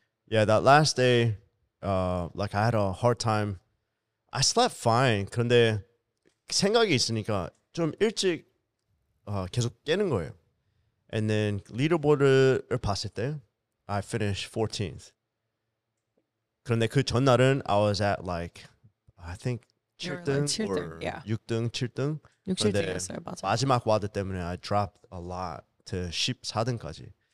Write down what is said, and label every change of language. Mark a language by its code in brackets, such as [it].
[en] Yeah, that last day, like I had a hard time. I slept fine. [ko] 그런데 생각이 있으니까 좀 일찍 계속 깨는 거예요. [en] And then leaderboard을 [ko] 봤을 때, [en] I finished 14th. [ko] 그런데 그 전날은 [en] I was at like, I think, 7등 or 6등, 7등. [ko] 6-7등이었어요, 맞아. 마지막 와드 때문에 [en] I dropped a lot to 14등까지.